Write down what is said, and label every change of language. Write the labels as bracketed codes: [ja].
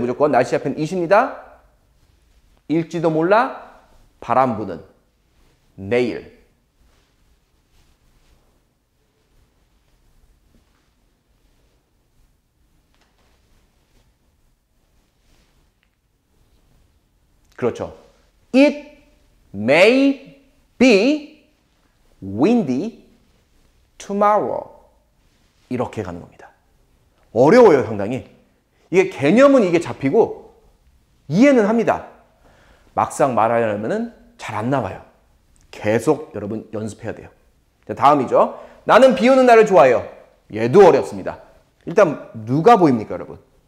[ko] 무조건 날씨 앞에는 is입니다. 일지도 몰라 바람 부는 내일 그렇죠. [en] It may be windy tomorrow. [ko] 이렇게 가는 겁니다. 어려워요, 상당히. 이게 개념은 이게 잡히고 이해는 합니다. 막상 말하려면은 잘 안 나와요. 계속 여러분 연습해야 돼요. 자, 다음이죠. 나는 비 오는 날을 좋아해요. 얘도 어렵습니다. 일단 누가 보입니까, 여러분?